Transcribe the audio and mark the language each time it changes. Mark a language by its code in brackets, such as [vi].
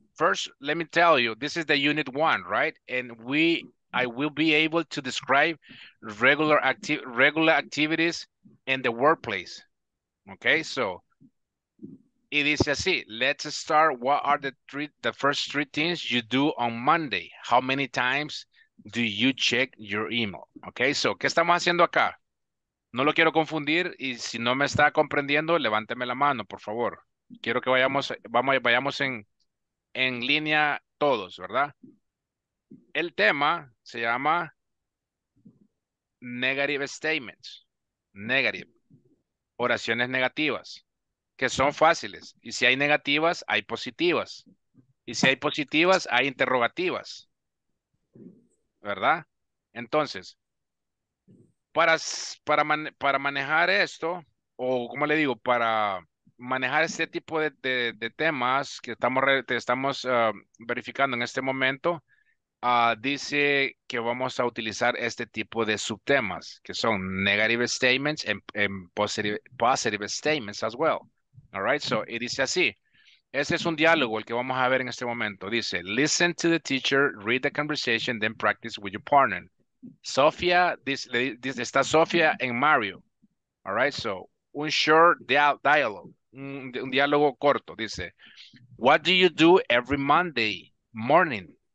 [en] First, let me tell you, this is the unit one, right? And I will be able to describe regular activities in the workplace. Okay, so it is así. Let's start. What are the first three things you do on Monday? How many times do you check your email? [es] Okay, so, ¿qué estamos haciendo acá? No lo quiero confundir, y si no me está comprendiendo, levánteme la mano, por favor. Quiero que vayamos en línea todos, ¿verdad? El tema se llama negative statements. Negative. Oraciones negativas, que son fáciles. Y si hay negativas, hay positivas. Y si hay positivas, hay interrogativas. ¿Verdad? Entonces, para manejar esto, o como le digo, para manejar este tipo de temas que estamos verificando en este momento, dice que vamos a utilizar este tipo de subtemas, que son [en] negative statements and positive statements as well. All right, so it is así. [es] Ese es un diálogo el que vamos a ver en este momento. Dice, [en] listen to the teacher, read the conversation, then practice with your partner. [es] Sofía, está Sofía en Mario. [en] All right, so, un short dialogue, [es] un diálogo corto. Dice, [en] what do you do every Monday morning?